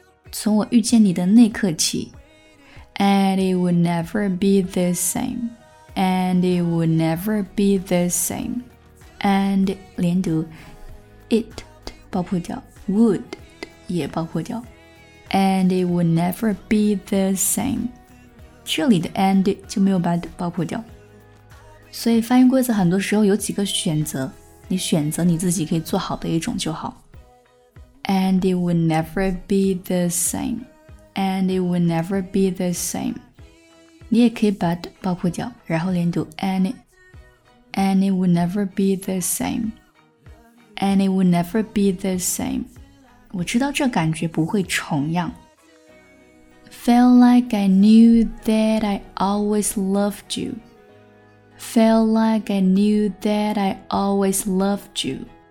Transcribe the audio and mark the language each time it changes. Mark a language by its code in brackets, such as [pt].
[zh] 从我遇见你的那刻起 [en] and it would never be the sameAnd it would never be the same. And 连读 it 爆破掉 would 也爆破掉 And it would never be the same. [zh] 这里的 and 就没有把 爆破掉。所以发音规则很多时候有几个选择，你选择你自己可以做好的一种就好。 [en] And it would never be the same. And it would never be the same. [zh] 你也可以把 爆破掉，然后连读 [en] and it would never be the same and it would never be the same [zh] 我知道这感觉不会重样 [en] Felt like I knew that I always loved you Felt like I knew that I always loved you